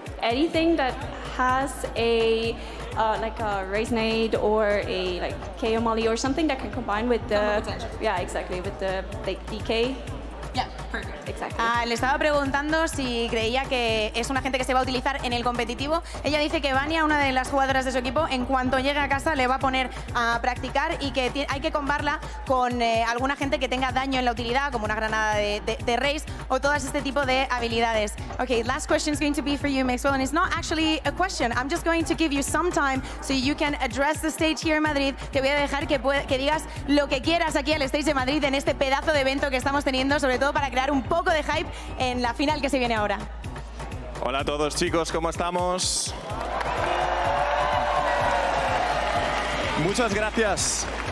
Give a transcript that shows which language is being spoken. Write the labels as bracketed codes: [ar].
[en] Anything that has a like a raise nade or a like KO molly or something that can combine with the yeah exactly with the like, DK. [es] Ah, le estaba preguntando si creía que es un agente que se va a utilizar en el competitivo. Ella dice que Vanya, una de las jugadoras de su equipo, en cuanto llegue a casa le va a poner a practicar y que hay que combarla con algún agente que tenga daño en la utilidad, como una granada de Raze o todas este tipo de habilidades. [en] Okay, last question is going to be for you, Mixwell, and it's not actually a question. I'm just going to give you some time so you can address the stage here in Madrid. [es] Te voy a dejar que digas lo que quieras aquí al stage de Madrid en este pedazo de evento que estamos teniendo, sobre todo para crear un poco de hype en la final que se viene ahora. Hola a todos, chicos, ¿cómo estamos? Muchas gracias.